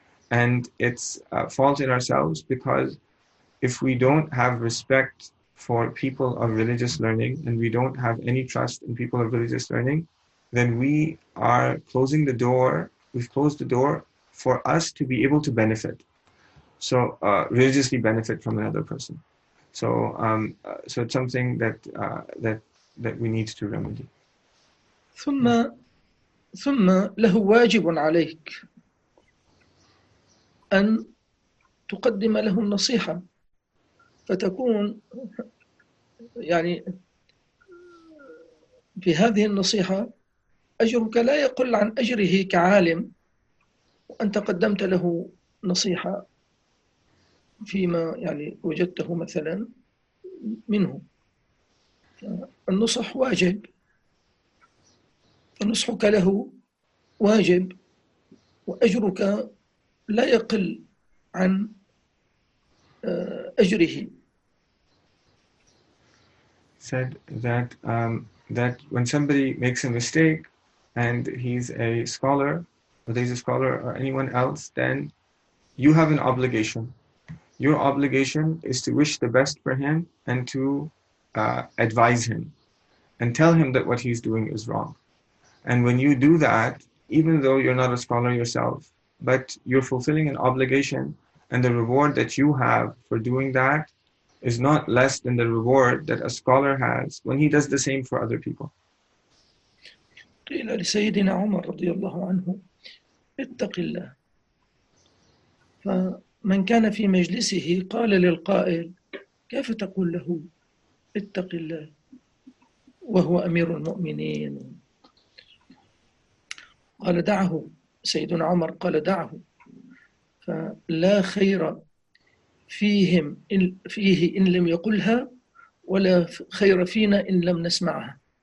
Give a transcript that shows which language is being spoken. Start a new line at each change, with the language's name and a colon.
English: And it's a fault in ourselves because if we don't have respect for people of religious learning and we don't have any trust in people of religious learning, then we are closing the door. We've closed the door for us to be able to benefit. So religiously benefit from another person. So it's something that we need to remedy.
Arabic: ثم له واجب عليك أن تقدم له النصيحة فتكون يعني في هذه النصيحة أجرك لا يقل عن أجره كعالم وأنت قدمت له نصيحة فيما يعني وجدته مثلا منه. النصح واجب, فنصحك له واجب وأجرك لا يقل عن أجره.
English: Said that that when somebody makes a mistake and he's a scholar, or there's a scholar or anyone else, then you have an obligation. Your obligation is to wish the best for him and to advise him and tell him that what he's doing is wrong. And when you do that, even though you're not a scholar yourself, but you're fulfilling an obligation, and the reward that you have for doing that is not less than the reward that a scholar has when he does the same for other people.
Arabic: قيل لسيدنا عمر رضي الله عنه اتق الله فمن كان في مجلسه قال للقائل كيف تقول له اتق الله وهو أمير المؤمنين قال دعه سيدنا عمر قال دعه فلا خير فيهم فيه إن لم يقلها ولا خير فينا إن لم نسمعها.